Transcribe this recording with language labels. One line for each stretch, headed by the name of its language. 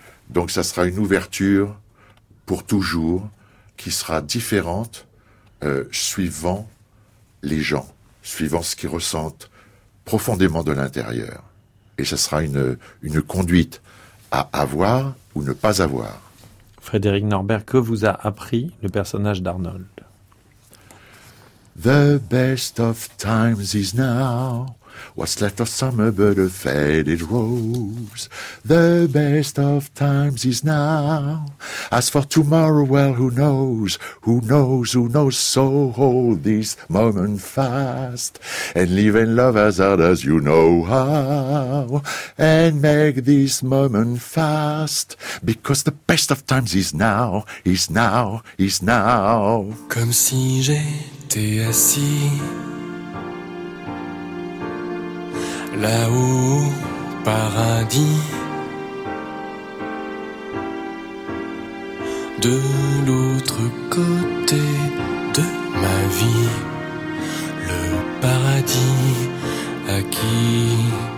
French: Donc ça sera une ouverture pour toujours qui sera différente suivant les gens, suivant ce qu'ils ressentent profondément de l'intérieur. Et ça sera une conduite à avoir ou ne pas avoir. Frédéric Norbert, que vous a appris le personnage d'Arnold?
English: The best of times is now. What's left of summer but a faded rose? The best of times is now. As for tomorrow, well, who knows? Who knows? Who knows? So hold this moment fast and live and love as hard as you know how. And make this moment fast because the best of times is now, is now, is now.
French: Comme si j'étais assis là-haut, paradis, de l'autre côté de ma vie, le paradis acquis.